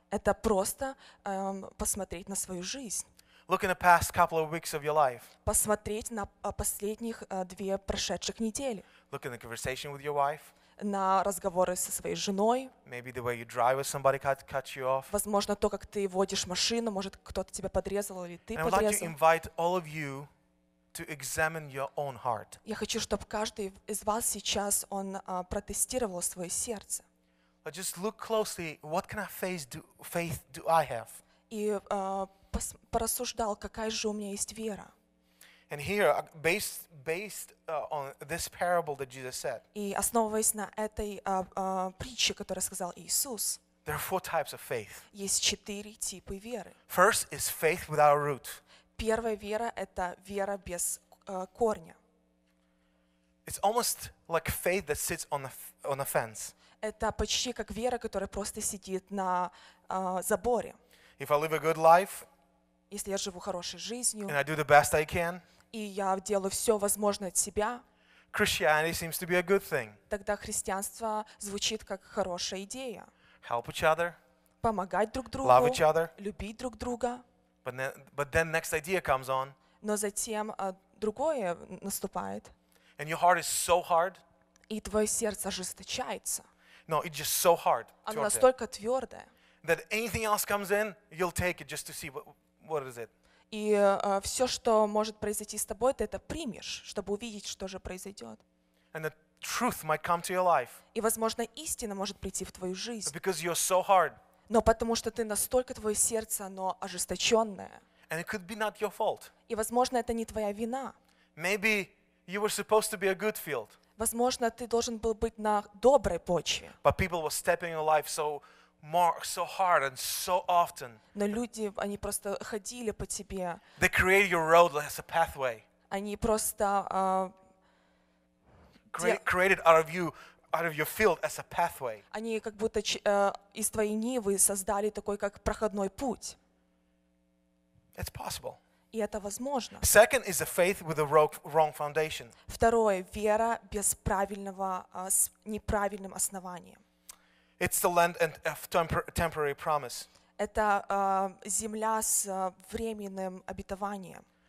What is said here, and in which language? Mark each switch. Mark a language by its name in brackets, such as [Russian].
[Russian] Это просто посмотреть на свою жизнь. [English] Look in the past couple of weeks of your life. [Russian] Посмотреть на последних две прошедших недели. [English] Look in the conversation with your wife. [Russian] На разговоры со своей женой. [English] Maybe the way you drive with somebody cut you off. [Russian] Возможно, то, как ты водишь машину, может, кто-то тебя подрезал или ты подрезал. [English] And I would like to invite all of you to examine your own heart. [Russian] Я хочу, чтобы каждый из вас сейчас он протестировал свое сердце. [English] But just look closely. What kind of faith do I have? [Russian] И порассуждал, какая же у меня есть вера. [English] And here, based on this parable that Jesus said. [Russian] И основываясь на этой притче, которую сказал Иисус. [English] There are four types of faith. [Russian] Есть четыре типа веры. [English] First is faith without root. [Russian] Первая вера – это вера без корня. [English] It's almost like faith that sits on a fence. [Russian] Это почти как вера, которая просто сидит на заборе. [English] If I live a good life, [Russian] если я живу хорошей жизнью, [English] and I do the best I can, [Russian] и я делаю все возможное от себя, [English] Christianity seems to be a good thing. [Russian] Тогда христианство звучит как хорошая идея. [English] Help each other, [Russian] помогать друг другу, [English] love each other, [Russian] любить друг друга. [English] But then next idea comes on. [Russian] Но затем другое наступает. [English] And your heart is so hard. [Russian] И твое сердце ожесточается. [English] No, it's just so hard. [Russian] Оно настолько твердое. [English] That anything else comes in, you'll take it just to see what is it. [Russian] И все, что может произойти с тобой, ты это примешь, чтобы увидеть, что же произойдет. [English] And the truth might come to your life. [Russian] И возможно истина может прийти в твою жизнь. [English] But because you're so hard. [Russian] Но потому что ты настолько твое сердце, оно ожесточенное. [English] And it could be not your fault. [Russian] И возможно это не твоя вина. [English] Maybe you were supposed to be a good field. [Russian] Возможно, ты должен был быть на доброй почве. [English] But people were stepping your life so hard and so often. [Russian] Но люди, они просто ходили по тебе. [English] They create your road as a pathway. [Russian] Они просто [English] created out of your field as a pathway. [Russian] Они как будто из твоей нивы создали такой как проходной путь. [English] It's possible. [Russian] И это возможно. [English] Second is a faith with a wrong foundation. [Russian] Второе – вера без правильного, с неправильным основанием. [English] It's the land and temporary promise. [Russian] Это земля с временным обетованием.